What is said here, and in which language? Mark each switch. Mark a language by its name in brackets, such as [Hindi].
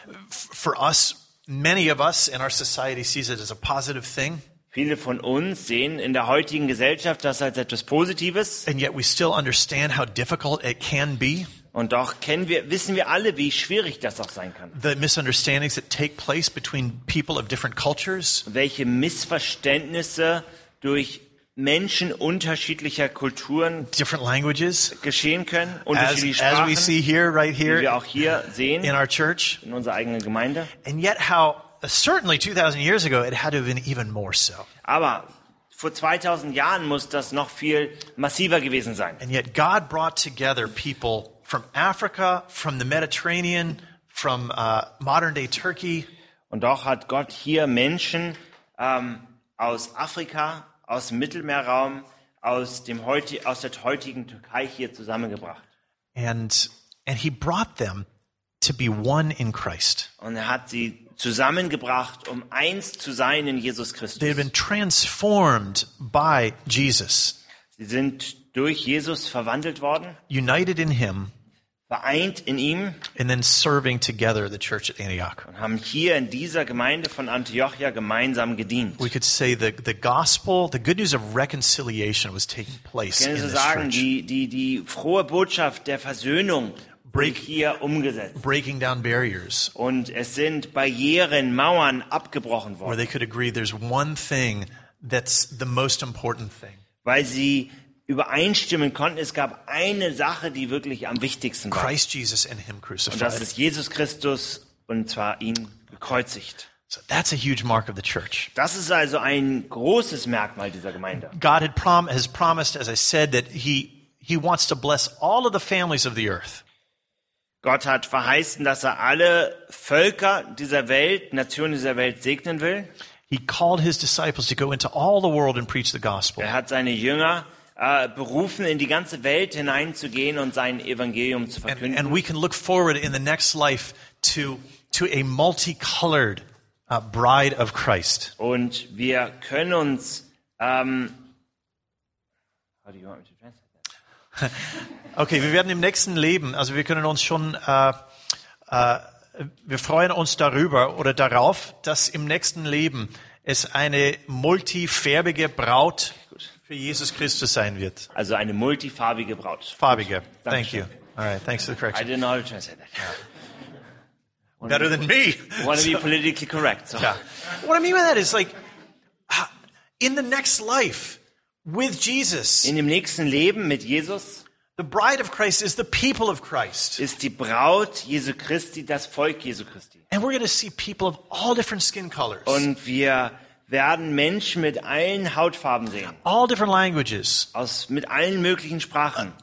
[English] For us, many of us in our society sees it as a positive thing. [German] Viele von uns sehen in der heutigen Gesellschaft das als etwas Positives. [English] And yet we still understand how difficult it can be. [German] Und doch wissen wir alle, wie schwierig das auch sein kann. [English] The misunderstandings that take place between people of different cultures. [German] Welche Missverständnisse durch Menschen unterschiedlicher Kulturen, [English] different languages, [German] geschehen können, unterschiedliche Sprachen, [English] as we see here, right here, [German] wie wir auch hier sehen, [English] in our church, [German] in unserer eigenen Gemeinde. [English] And yet how certainly 2000 years ago it had to have been even more so. [German] Aber vor 2000 Jahren muss das noch viel massiver gewesen sein. [English] And yet God brought together people from Africa, from the Mediterranean, from modern day Turkey. [German] Und doch hat Gott hier Menschen aus Afrika, aus dem Mittelmeerraum, aus der heutigen Türkei hier zusammengebracht. [English] And he brought them to be one in Christ. [German] Und er hat sie zusammengebracht, um eins zu sein in Jesus Christus. [English] They've been transformed by Jesus. [German] Sie sind durch Jesus verwandelt worden. [English] United in him. [German] Vereint in ihm. [English] And then serving together the church at Antioch. [German] Und haben hier in dieser Gemeinde von Antiochia gemeinsam gedient. [English] We could say the gospel, the good news of reconciliation was taking place in this church. [German] Können Sie sagen, die frohe Botschaft der Versöhnung hier umgesetzt. [English] Breaking down barriers. [German] Und es sind Barrieren, Mauern abgebrochen worden. [English] Where they could agree there's one thing that's the most important thing. [German] Weil sie übereinstimmen konnten, es gab eine Sache, die wirklich am wichtigsten war. [English] Christ Jesus and him crucified. [German] Und das ist Jesus Christus, und zwar ihn gekreuzigt. [English] So that's a huge mark of the church. [German] Das ist also ein großes Merkmal dieser Gemeinde. [English] God has promised, as I said, that he wants to bless all of the families of the earth. [German] Gott hat verheißen, dass er alle Völker dieser Welt, Nationen dieser Welt segnen will. [English] He called his disciples to go into all the world and preach the gospel. [German] Er hat seine Jünger berufen, in die ganze Welt hineinzugehen und sein Evangelium zu verkünden. [English] And we can look forward in the next life to a multicolored bride of Christ. [German] Und wir können uns [English] how do you want me to translate that? [German] Okay, wir werden im nächsten Leben, also wir können uns schon wir freuen uns darüber oder darauf, dass im nächsten Leben es eine multifärbige Braut für Jesus Christus sein wird. Also eine multifarbige Braut. [English] Farbige. Thank you. All right, thanks for the correction. I didn't know how to translate that. Yeah. Better than me. Want to be politically correct. So. Yeah. What I mean by that is like, in the next life, with Jesus. [German] In dem nächsten Leben mit Jesus. [English] The bride of Christ is the people of Christ. [German] Ist die Braut Jesu Christi, das Volk Jesu Christi. [English] And we're going to see people of all different skin colors. [German] Und wir werden Menschen mit allen Hautfarben sehen. [English] All different languages. [German] Mit allen möglichen Sprachen.